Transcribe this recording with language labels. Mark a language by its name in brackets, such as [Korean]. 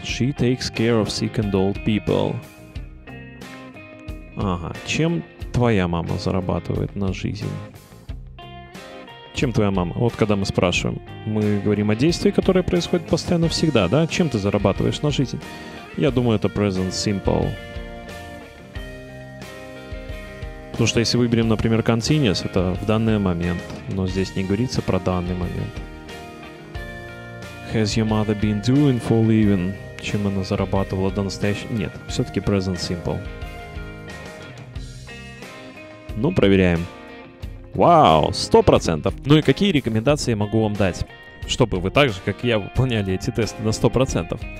[English] She takes care of sick and old people. [Russian] Ага, чем твоя мама зарабатывает на жизнь? Чем твоя мама? Вот когда мы спрашиваем, мы говорим о действии, которое происходит постоянно, всегда, да? Чем ты зарабатываешь на жизнь? Я думаю, это present simple. Потому что если выберем, например, continuous, это в данный момент, но здесь не говорится про данный момент. [English] Has your mother been doing for a living? [Russian] Чем она зарабатывала до настоящего? Нет, все-таки present simple. Ну, проверяем. Вау, 100%! Ну и какие рекомендации я могу вам дать, чтобы вы так же, как и я, выполняли эти тесты на 100%?